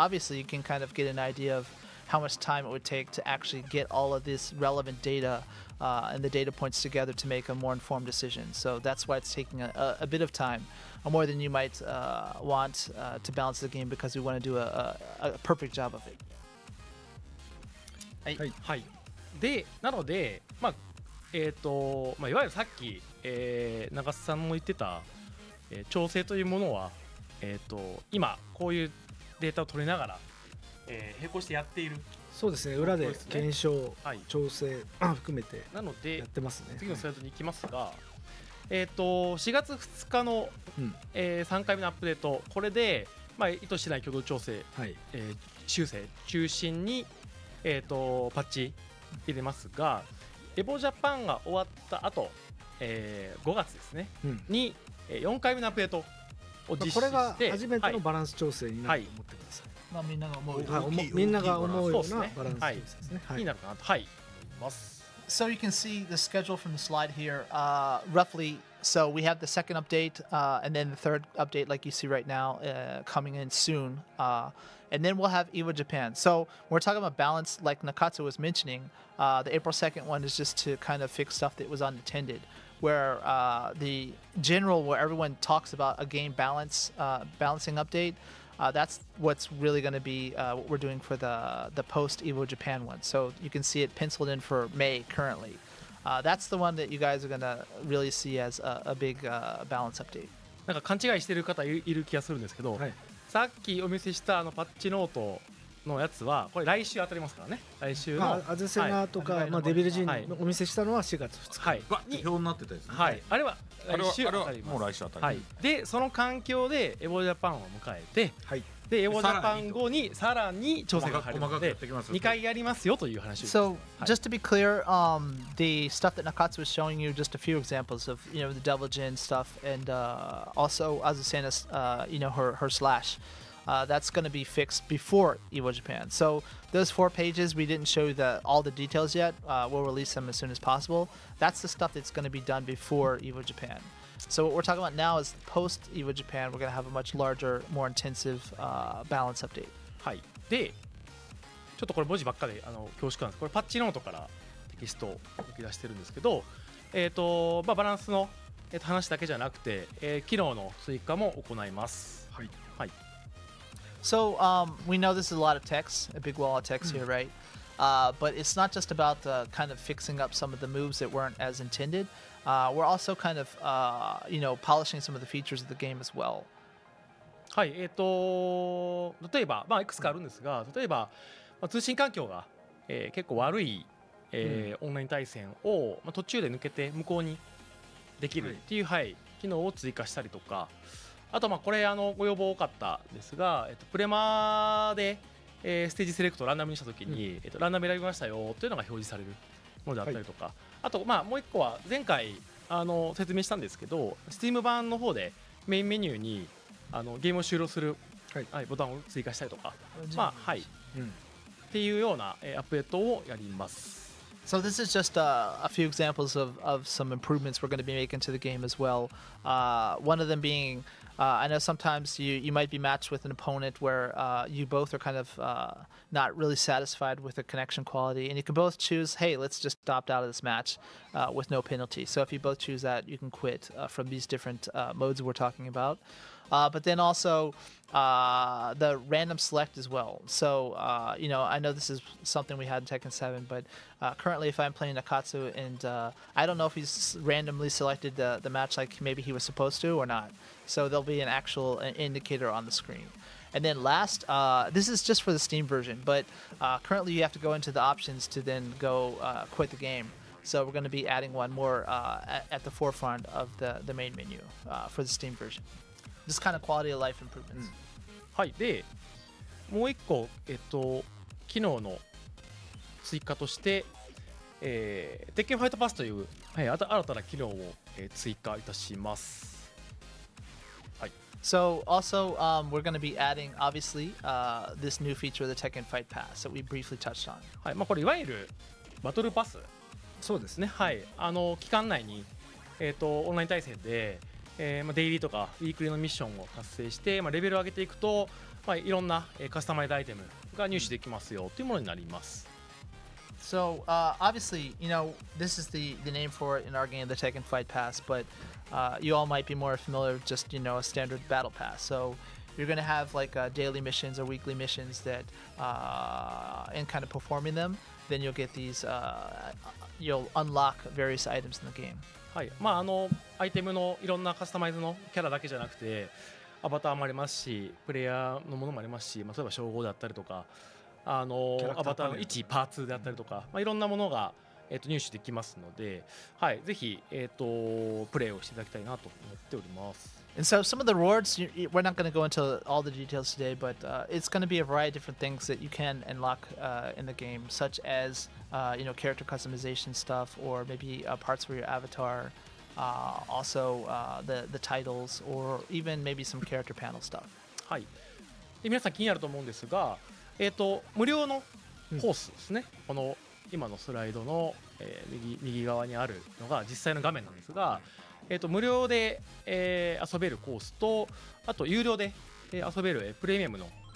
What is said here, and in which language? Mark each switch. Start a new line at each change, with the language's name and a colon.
English: Obviously, you can kind of get an idea of how much time it would take to actually get all of this relevant data、and the data points together to make a more informed decision. So that's why it's taking a bit of time. More than you might want to balance the game because we want to do a perfect job of it.
Japanese: はい、はい、はい。で、なので、まあ、まあ、いわゆるさっき、長瀬さんも言ってた、調整というものは、今こういうデータを取りながら、並行してやっている。そうですね。裏で検証、はい、調整含めてなのでやってますね。次のスライドに行きますが。はい、4月2日の、うん、3回目のアップデート、これで、まあ、意図してない挙動調整、はい、修正中心に、パッチ入れますが、エボジャパンが終わった後、5月ですね、うん、に、4回目のアップデートを実施して、まあ、これが初めてのバランス調整になると思ってください、はい、まあ、みんなが思う、はい、みんなが思うようなバランス調整ですね、はいはい、になるかなと、はい、思います。
English: So you can see the schedule from the slide here, roughly. So we have the second update, and then the third update, like you see right now, coming in soon. And then we'll have EVO Japan. So we're talking about balance, like Nakatsu was mentioning. The April 2nd one is just to kind of fix stuff that was unattended. Where the general, where everyone talks about a game balance, balancing update, that's what's really going to be what we're doing for the post-EVO Japan one. So you can see it penciled in for May currently. That's the one that you guys are going to really see as a big balance update.
Japanese: なんか勘違いしてる方いる気がするんですけど、はい、さっきお見せしたあのパッチノートのやつはこれ来週当たりますからね。来週の、まあ、アズセナとか、はい、まあ、デビルジーニお見せしたのは4月2日、はい、に表になってたですね、はい、あれは来週当たります。もう来週当たり、はい、でその環境でエボジャパンを迎えて、はい、でエボジャパン後にさらに調整が入るので細かくやってきます。 2回やりますよという話です。
English: So just to be clear、the stuff that Nakatsu was showing you, just a few examples of, you know, the Devil Jin stuff and also Azucena's, you know, her slash, that's going to be fixed before EVO Japan. So those four pages, we didn't show you all the details yet. We'll release them as soon as possible. That's the stuff that's going to be done before EVO Japan. So what we're talking about now is post EVO Japan, we're going to have a much larger, more intensive balance update.
Japanese: はい。で、ちょっとこれ文字ばっかりあの恐縮なんです。これパッチノートからテキストを抜き出してるんですけど、まあ、バランスの、話だけじゃなくて、機能の追加も行います。はい。はい。
English: So, we know this is a lot of text, a big wall of text here, right? But it's not just about the kind of fixing up some of the moves that weren't as intended. We're also kind of, you know, polishing some of the features of the game as well.
Japanese: はい、例えば、まあ、いくつかあるんですが、例えば、まあ、通信環境が、結構悪い、オンライン対戦を、まあ、途中で抜けて無効にできるっていう、はい、機能を追加したりとか、あと、まあ、これあのご要望多かったですが、プレマで、ステージセレクトをランダムにしたときに、ランダム選びましたよというのが表示されるものであったりとか、はい、あと、まあ、もう一個は前回あの説明したんですけど、 Steam 版の方でメインメニューにあのゲームを終了する、はいはい、ボタンを追加したりとか、まあ、はい、うん、っていうような、アップデートをやります。
English: So this is just a few examples of some improvements we're going to be making to the game as well. One of them being, I know sometimes you might be matched with an opponent where you both are kind of not really satisfied with the connection quality, and you can both choose, hey, let's just opt out of this match with no penalty. So if you both choose that, you can quit from these different modes we're talking about. But then also the random select as well. So, you know, I know this is something we had in Tekken 7, but currently if I'm playing Nakatsu and I don't know if he's randomly selected the match like maybe he was supposed to or not. So there'll be an actual indicator on the screen. And then last, this is just for the Steam version, but currently you have to go into the options to then go quit the game. So we're going to be adding one more at the forefront of the main menu for the Steam version. This kind of quality of life improvements.
Japanese: はい、で、もう一個、機能の追加として、鉄拳ファイトパスという、はい、新たな機能を、追加いたします。
English: So also, we're going to be adding, obviously, this new feature of the Tekken Fight Pass that we briefly touched on.
Japanese: はい、まあ、これいわゆるバトルパス。そうですね。はい、あの期間内に、オンライン対戦で、まあ、デイリーとかウィークリーのミッションを達成して、まあ、レベルを上げていくと、まあ、いろんなカスタマイズアイテムが入手できますよというものになります。
English: So, obviously, you know, this is the name for it in our game, the Tekken Fight Pass, but you all might be more familiar with just, you know, a standard battle pass. So you're going to have like daily missions or weekly missions that, and kind of performing them, then you'll get these, you'll unlock various items in the game.
Japanese: はい、まああのアイテムのいろんなカスタマイズのキャラだけじゃなくて、アバターもありますし、プレイヤーのものもありますし、まあ、例えば称号であったりとか、あのアバターの位置パーツであったりとか、まあ、いろんなものが入手できますので、はい、ぜひ、プレイをしていただきたいなと思っております。
English: And so some of the rewards, we're not going to go into all the details today, but it's going to be a variety of different things that you can unlock in the game, such as you know, character customization stuff, or maybe parts for your avatar, also the titles, or even maybe some character panel stuff.
Japanese: はい。で、皆さん気になると思うんですが、無料のコースですね、うん、この今のスライドの、右側にあるのが実際の画面なんですが、無料で、遊べるコースと、あと有料で、遊べるプレミアムの